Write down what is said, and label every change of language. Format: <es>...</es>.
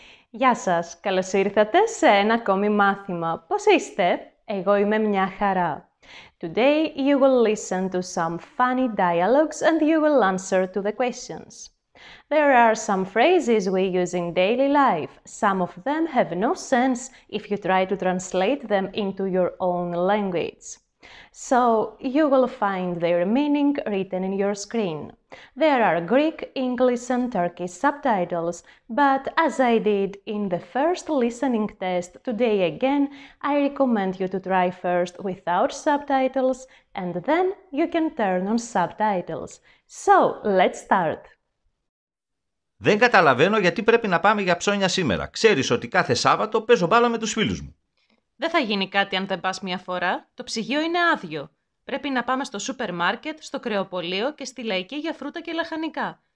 <el>Γεια σας, καλώς ήρθατε σε ένα ακόμη μάθημα. Πώς είστε? Εγώ είμαι μια χαρά.</el> <en>Today you will listen to some funny dialogues and you will answer to the questions. There are some phrases we use in daily life. Some of them have no sense if you try to translate them into your own language. So, you will find their meaning written in your screen. There are Greek, English and Turkish subtitles, but as I did in the first listening test today again, I recommend you to try first without subtitles and then you can turn on subtitles. So, let's start!</en> <el>Δεν καταλαβαίνω γιατί πρέπει να πάμε για ψώνια σήμερα. Ξέρεις ότι κάθε Σάββατο παίζω μπάλα με τους φίλους μου. Δεν θα γίνει κάτι αν δεν πας μια φορά. Το ψυγείο είναι άδειο. Πρέπει να πάμε στο σούπερ μάρκετ, στο κρεοπωλείο και στη λαϊκή για φρούτα και λαχανικά.</el>